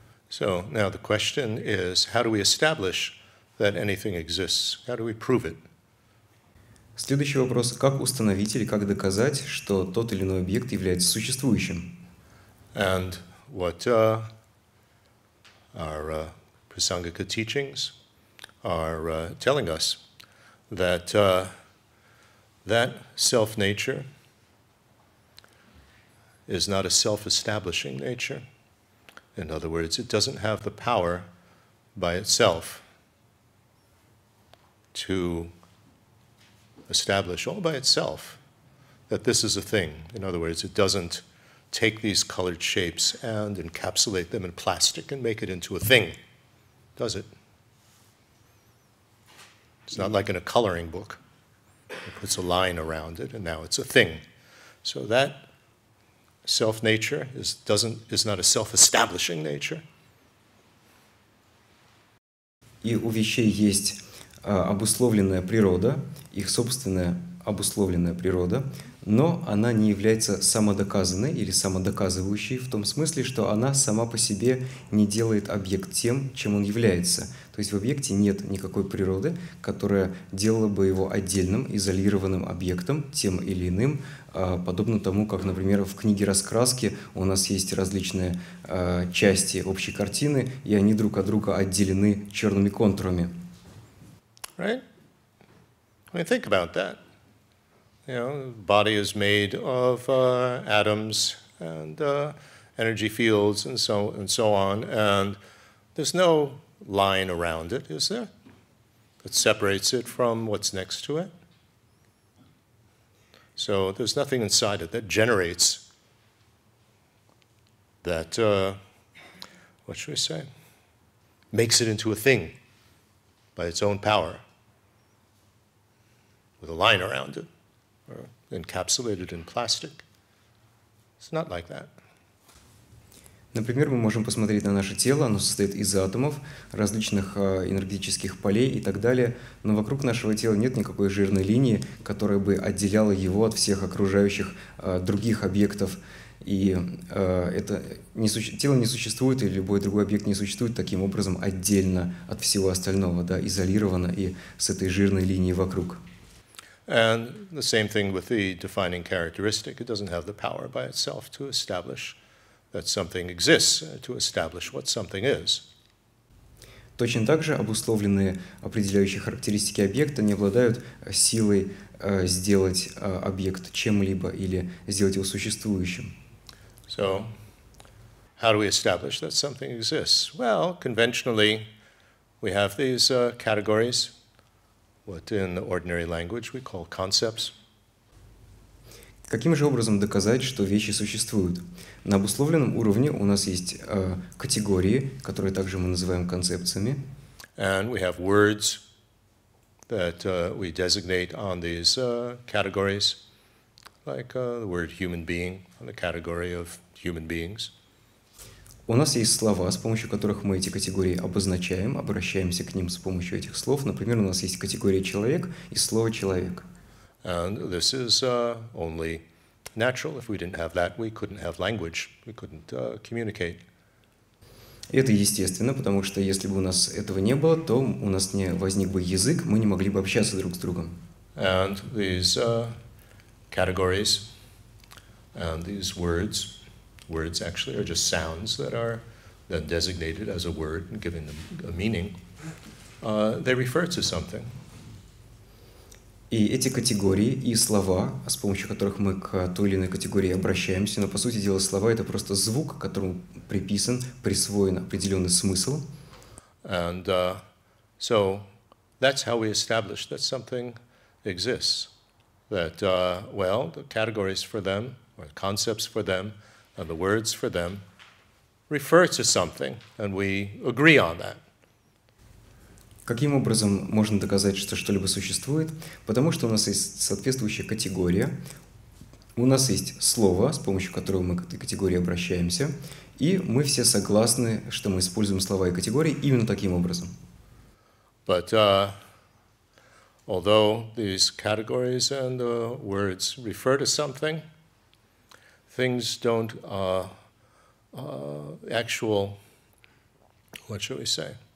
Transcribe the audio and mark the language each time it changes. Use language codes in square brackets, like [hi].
[en] So now the question is, how do we establish that anything exists? How do we prove it? [ru] Следующий вопрос. Как установить или как доказать, что тот или иной объект является существующим? [en] And what our Prasangika teachings are telling us that that self-nature is not a self-establishing nature. In other words, it doesn't have the power by itself to establish all by itself that this is a thing. In other words, it doesn't take these colored shapes and encapsulate them in plastic and make it into a thing, does it? It's not like in a coloring book. It puts a line around it and now it's a thing. So that self-nature is not a self-establishing nature. [ru] И у вещей есть обусловленная природа, их собственная обусловленная природа, но она не является самодоказанной или самодоказывающей в том смысле, что она сама по себе не делает объект тем, чем он является. То есть в объекте нет никакой природы, которая делала бы его отдельным, изолированным объектом, тем или иным, подобно тому, как, например, в книге раскраски у нас есть различные части общей картины, и они друг от друга отделены черными контурами. [en] Right? I mean, think about that. You know, the body is made of atoms and energy fields and so on, and there's no line around it, is there, that separates it from what's next to it? So there's nothing inside it that generates that, what should we say, makes it into a thing by its own power, with a line around it, or encapsulated in plastic. It's not like that. [ru] Например, мы можем посмотреть на наше тело, оно состоит из атомов, различных энергетических полей и так далее, но вокруг нашего тела нет никакой жирной линии, которая бы отделяла его от всех окружающих других объектов. И тело не существует, или любой другой объект не существует таким образом отдельно от всего остального, да, изолированно и с этой жирной линией вокруг. [en] And the same thing with the defining characteristic. It doesn't have the power by itself to establish that something exists, to establish what something is. [ru] Точно так же обусловленные определяющие характеристики объекта не обладают силой сделать объект чем-либо или сделать его существующим. [en] So, how do we establish that something exists? Well, conventionally, we have these categories, what in the ordinary language we call concepts. [ru] Каким же образом доказать, что вещи существуют? На обусловленном уровне у нас есть категории, которые также мы называем концепциями. [en] And we have words that we designate on these categories, like the word human being on the category of human beings. [ru] У нас есть слова, с помощью которых мы эти категории обозначаем, обращаемся к ним с помощью этих слов. Например, у нас есть категория «человек» и слово «человек». [en] And this is only natural. If we didn't have that, we couldn't have language. We couldn't communicate. [ru] Это естественно, потому что если бы у нас этого не было, то у нас не возник бы язык, мы не могли бы общаться друг с другом. [en] And these categories and these words actually are just sounds that are then designated as a word and given them a meaning, they refer to something. [ru] И эти категории и слова, с помощью которых мы к той или иной категории обращаемся, но по сути дела слова — это просто звук, которому приписан, присвоен определенный смысл. [en] And so that's how we establish that something exists. That, well, the categories for them, or the concepts for them, and the words for them refer to something, and we agree on that. [ru] Каким образом можно доказать, что что-либо существует? Потому что у нас есть соответствующая категория, у нас есть слово, с помощью которого мы к этой категории обращаемся, и мы все согласны, что мы используем слова и категории именно таким образом. [en] But although these categories and the words refer to something, things don't actual, what should we say?